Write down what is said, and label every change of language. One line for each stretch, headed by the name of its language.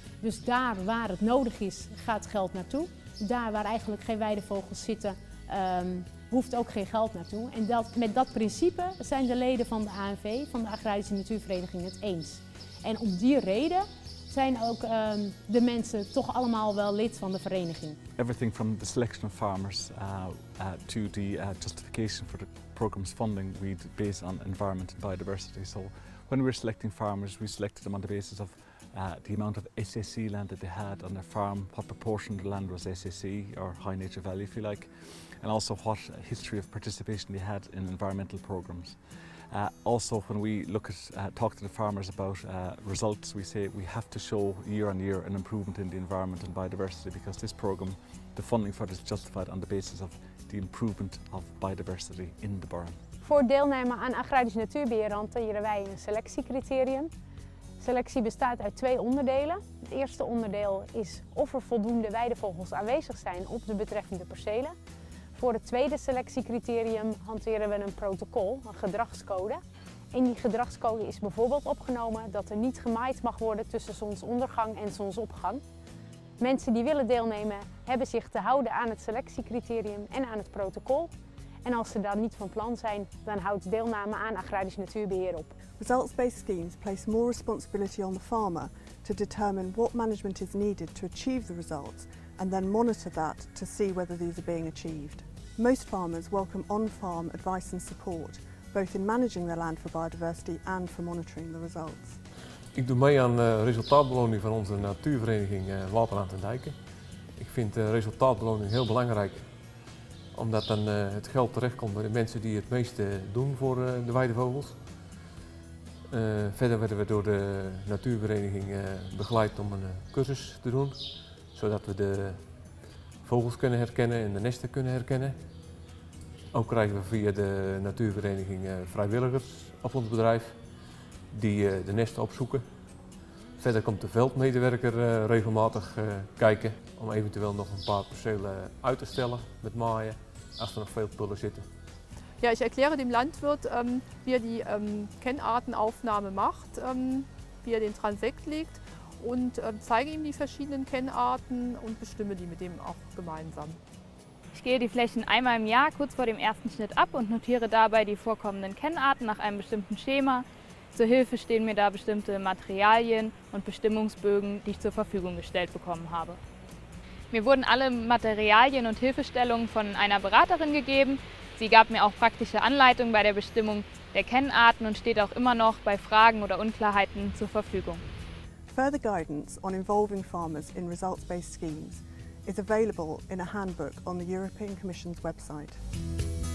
Dutch: Dus daar waar het nodig is, gaat geld naartoe. Daar waar eigenlijk geen weidevogels zitten, hoeft ook geen geld naartoe. En met dat principe zijn de leden van de ANV, van de Agrarische Natuurvereniging, het eens. En om die reden zijn ook de mensen toch allemaal wel lid van de vereniging.
English: Everything from the selection of farmers to the justification for the program's funding, we base on environment and biodiversity. So when we were selecting farmers, we selected them on the basis of the amount of SSC land that they had on their farm, what proportion of the land was SSC or high nature value, if you like, and also what history of participation they had in environmental programs. Also, when we talk to the farmers about results, we say we have to show year on year an improvement in the environment and biodiversity, because this program, the funding for it is justified on the basis of the improvement of biodiversity in the burn.
Dutch: Voor deelname aan agrarisch natuurbeheer hanteren wij een selectiecriterium. Selectie bestaat uit twee onderdelen. Het eerste onderdeel is of er voldoende weidevogels aanwezig zijn op de betreffende percelen. Voor het tweede selectiecriterium hanteren we een protocol, een gedragscode. In die gedragscode is bijvoorbeeld opgenomen dat er niet gemaaid mag worden tussen zonsondergang en zonsopgang. Mensen die willen deelnemen hebben zich te houden aan het selectiecriterium en aan het protocol. En als ze daar niet van plan zijn, dan houdt deelname aan agrarisch natuurbeheer op.
English: Results-based schemes place more responsibility on the farmer to determine what management is needed to achieve the results and then monitor that to see whether these are being achieved. Most farmers welcome on-farm advice and support, both in managing their land for biodiversity and for monitoring the results.
Dutch: Ik doe mee aan de resultaatbeloning van onze natuurvereniging Waterland en Dijken. Ik vind de resultaatbeloning heel belangrijk, omdat dan het geld terechtkomt bij de mensen die het meeste doen voor de weidevogels. Verder werden we door de natuurvereniging begeleid om een cursus te doen, zodat we de vogels kunnen herkennen en de nesten kunnen herkennen. Ook krijgen we via de natuurvereniging vrijwilligers op ons bedrijf die de nesten opzoeken. Verder komt de veldmedewerker regelmatig kijken om eventueel nog een paar percelen uit te stellen met maaien als er nog veel pullen zitten.
German: Ja, ich erkläre dem Landwirt, wie er die Kennartenaufnahme macht, wie er den Transekt legt und zeige ihm die verschiedenen Kennarten und bestimme die mit ihm auch gemeinsam. Ich gehe die Flächen einmal im Jahr kurz vor dem ersten Schnitt ab und notiere dabei die vorkommenden Kennarten nach einem bestimmten Schema. Zur Hilfe stehen mir da bestimmte Materialien und Bestimmungsbögen, die ich zur Verfügung gestellt bekommen habe. Mir wurden alle Materialien und Hilfestellungen von einer Beraterin gegeben. Sie gab mir auch praktische Anleitungen bei der Bestimmung der Kennarten und steht auch immer noch bei Fragen oder Unklarheiten zur Verfügung.
English: Further guidance on involving farmers in results-based schemes is available in a handbook on the European Commission's website.